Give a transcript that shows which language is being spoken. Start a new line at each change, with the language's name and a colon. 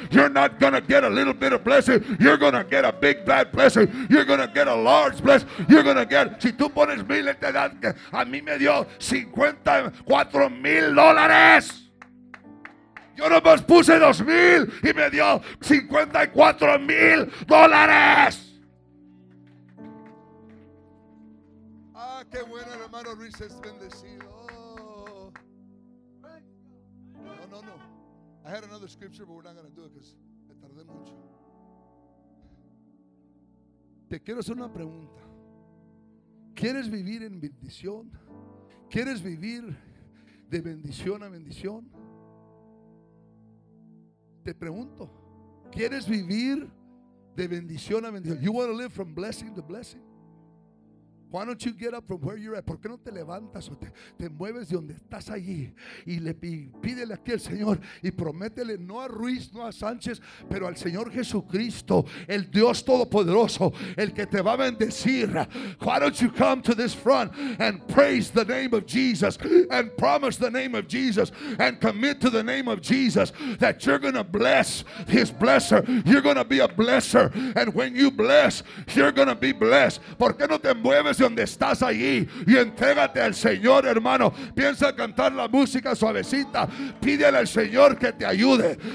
English: You're not gonna get a little bit of blessing, you're gonna get a big bad blessing, you're gonna get a large blessing, you're gonna get,
Spanish: si tú pones 1,000 en edad, que a mí me dio $54,000. Yo nomás puse 2,000 y me dio $54,000. Ah, qué bueno, el hermano Ruiz es bendecido. No.
English: I had another scripture, but we're not gonna do it because
Spanish: me tardé mucho. Te quiero hacer una pregunta. ¿Quieres vivir en bendición? ¿Quieres vivir de bendición a bendición? Te pregunto, ¿quieres vivir de bendición a bendición?
English: You want to live from blessing to blessing? Why don't you get up from where you're at?
Spanish: ¿Por qué no te levantas o te mueves de donde estás allí? Y pídele aquí al Señor y prométele, no a Ruiz, no a Sánchez, pero al Señor Jesucristo, el Dios Todopoderoso, el que te va a bendecir.
English: Why don't you come to this front and praise the name of Jesus and promise the name of Jesus and commit to the name of Jesus that you're going to bless His blesser. You're going to be a blesser. And when you bless, you're going to be blessed.
Spanish: ¿Por qué no te mueves donde estás allí y entrégate al Señor, hermano? Piensa cantar la música suavecita. Pídele al Señor que te ayude.